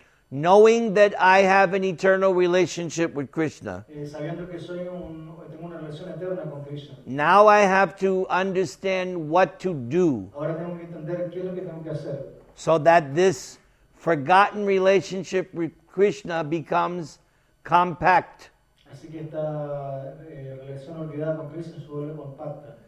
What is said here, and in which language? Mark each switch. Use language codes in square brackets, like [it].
[en] Knowing that I have an eternal relationship with Krishna. [es] Sabiendo que soy tengo una relación eterna con Krishna. [en] Now I have to understand what to do. [es] Ahora tengo que entender qué es lo que tengo que hacer. [en] So that this forgotten relationship with Krishna becomes compact. [es] Así que esta relación olvidada con Krishna se vuelve compacta.